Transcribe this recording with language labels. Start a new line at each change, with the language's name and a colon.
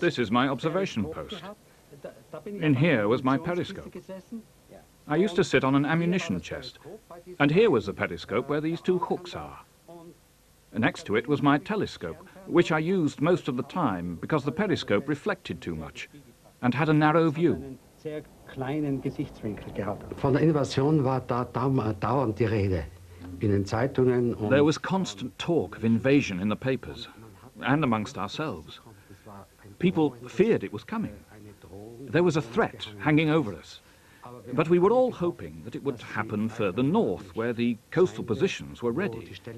English: This is my observation post. In here was my periscope. I used to sit on an ammunition chest. And here was the periscope where these two hooks are. Next to it was my telescope, which I used most of the time because the periscope reflected too much and had a narrow view.
German: Von der Invasion war da dauernd die Rede.
English: There was constant talk of invasion in the papers and amongst ourselves. People feared it was coming. There was a threat hanging over us. But we were all hoping that it would happen further north, where the coastal positions were ready.